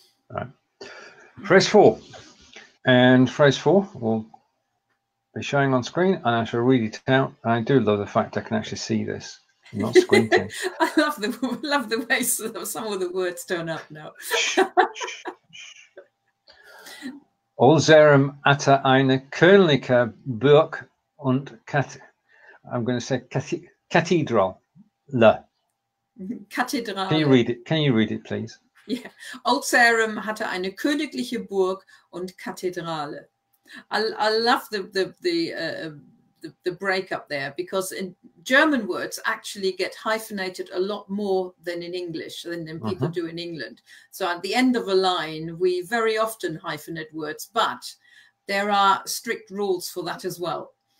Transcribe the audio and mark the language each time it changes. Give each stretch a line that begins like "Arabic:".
English: Right. Phrase four. And phrase four will be showing on screen. And I shall read it out. And I do love the fact I can actually see this. Not squinting. I love the way some of the words turn up now.
German: Old Sarum hatte eine königliche Burg und Kathedrale. Kathedrale.
English: Can you read it, please? Yeah.
German: Old Sarum hatte eine königliche Burg und Kathedrale.
English: I love the break up there, because in German words actually get hyphenated a lot more than in English, than people do in England. So at the end of a line, we very often hyphenate words, but there are strict rules for that as well.